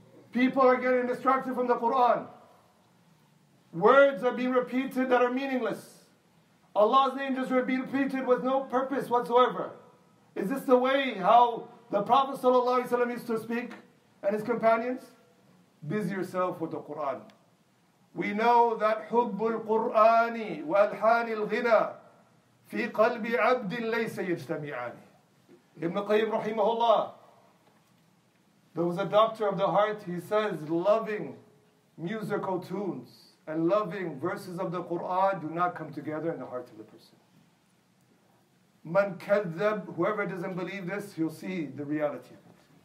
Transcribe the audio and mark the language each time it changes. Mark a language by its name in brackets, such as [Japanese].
[English] People are getting distracted from the Quran. Words are being repeated that are meaningless. Allah's name just being repeated with no purpose whatsoever. Is this the way how the Prophet ﷺ used to speak and his companions? Busy yourself with the Quran. We know that [Arabic] حُبُّ الْقُرْآنِ وَأَلْحَانِ الْغِنَى فِي قَلْبِ عَبْدٍ لَيْسَ يَجْتَمِعَانِ. [English] Ibn Qayyim rahimahullah, there was a doctor of the heart, he says, loving musical tunes and loving verses of the Qur'an do not come together in the heart of the person. [Arabic] مَنْ كَذَّبْ, [English] whoever doesn't believe this, he'll see the reality of it.